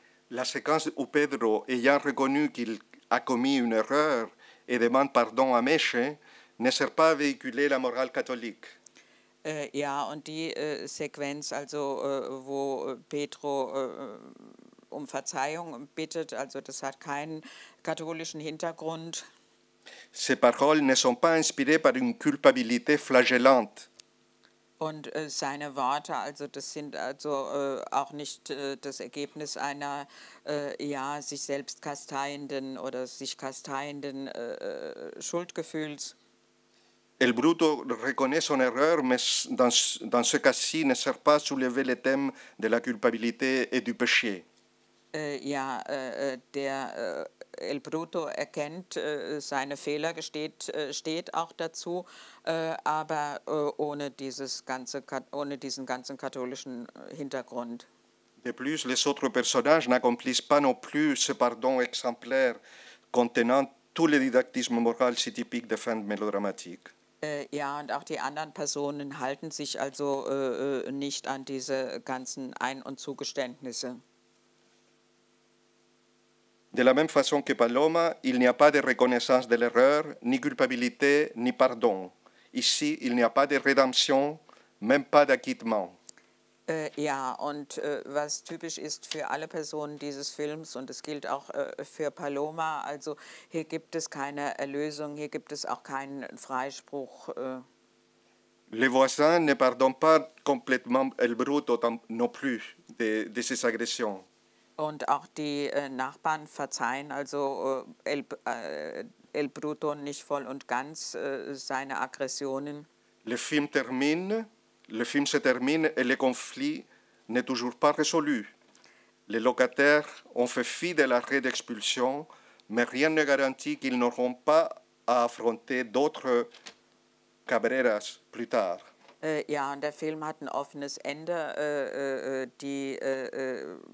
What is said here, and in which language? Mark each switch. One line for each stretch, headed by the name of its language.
French: La séquence où Pedro, ayant reconnu qu'il a commis une erreur et demande pardon à Meche, ne sert pas à véhiculer la morale catholique.
German: Ja, und die Sequenz, also wo Pedro um Verzeihung bittet, also das hat keinen katholischen Hintergrund.
French: Ces paroles ne sont pas inspirées par une culpabilité flagellante.
German: Und seine Worte, also das sind also auch nicht das Ergebnis einer sich selbst kasteienden oder sich kasteienden Schuldgefühls.
French: El Bruto reconnaît son erreur, mais dans ce cas-ci, ne sert pas à soulever le thème de la culpabilité et du péché.
German: El Bruto erkennt seine Fehler, steht auch dazu, aber ohne dieses ganze, ohne diesen ganzen katholischen Hintergrund.
French: De plus, les autres personnages n'accomplissent pas non plus ce pardon exemplaire contenant tout le didactisme moral si typique de fin de mélodramatique.
German: Ja, und auch die anderen Personen halten sich also nicht an diese ganzen Ein- und Zugeständnisse.
French: De la même façon que Paloma, il n'y a pas de reconnaissance de l'erreur, ni culpabilité, ni pardon. Ici, il n'y a pas de rédemption, même pas d'acquittement.
German: Ja, und was typisch ist für alle Personen dieses Films, und es gilt auch für Paloma, also hier gibt es keine Erlösung, hier gibt es auch keinen Freispruch.
French: Les voisins ne pardonnent pas complètement El Bruto non plus de ses agressions.
German: Und auch die Nachbarn verzeihen also El Bruto nicht voll und ganz seine Aggressionen.
French: Le film termine. Le film se termine et le conflit n'est toujours pas résolu. Les locataires ont fait fi de l'arrêt d'expulsion, mais rien ne garantit qu'ils n'auront pas à affronter d'autres Cabreras plus tard.
German: Ja, und der Film hat ein offenes Ende.